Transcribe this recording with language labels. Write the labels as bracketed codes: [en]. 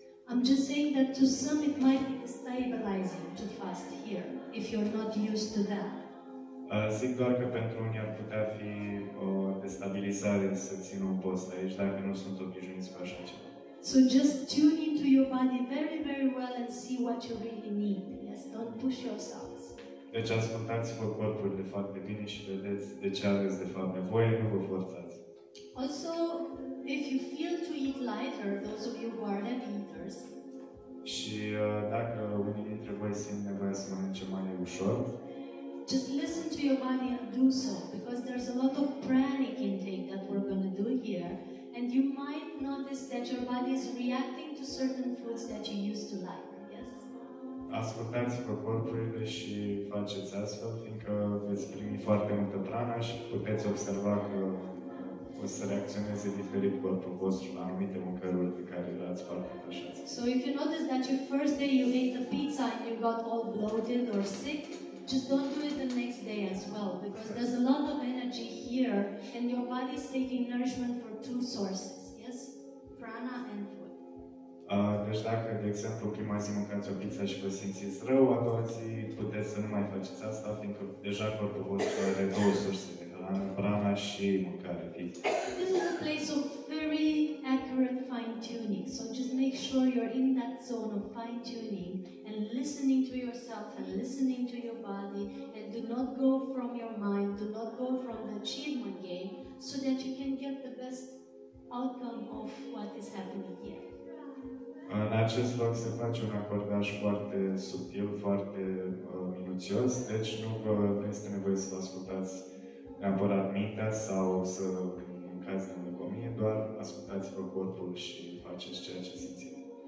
[en] I'm just saying that to some it might be stabilizing to fast here if you're not used to that. [ro] Zic doar că pentru unii ar putea fi o destabilizare să țină un post aici, dacă nu sunt obișnuiți cu așa ceva. [en] So just tune into your body very, very well and see what you really need. Yes, don't push yourselves. [ro] Deci ascultați-vă corpul de fapt de bine și vedeți de ce aveți de fapt nevoie, nu vă forțați. [en] Also, if you feel to eat lighter, those of you who are heavy eaters, [ro] și dacă unii dintre voi simt nevoia să mănânce mai ușor, [en] just listen to your body and do so, because there's a lot of pranic intake that we're going to do here, and you might notice that your body is reacting to certain foods that you used to like, yes? [ro] Ascultați-vă corpurile și faceți astfel, fiindcă veți primi foarte multă prana și puteți observa că o să reacționeze diferit corpul vostru la anumite mâncăruri pe care le ați foarte atașați. [en] So if you notice that your first day you ate a pizza and you got all bloated or sick, just don't do it the next day as well, because there's a lot of energy here and your body is taking nourishment from two sources, yes? Prana and food. [ro] Deci dacă, de exemplu, prima zi mâncați o pizza și vă simțiți rău, a doua zi puteți să nu mai faceți asta, fiindcă deja corpul vostru are două surse de hrană, prana și mâncare. [en] This is a place of very accurate fine-tuning, so just make sure you're in that zone of fine-tuning and listening to yourself and listening to your body, and do not go from your mind, do not go from the achievement game, so that you can get the best outcome of what is happening here. [ro] În acest loc se face un acordaj foarte subtil, foarte minuțios, deci nu este nevoie să vă ascultați neapărat mintea sau să mâncați de îndecomie, doar ascultați-vă corpul și faceți ceea ce simțiți.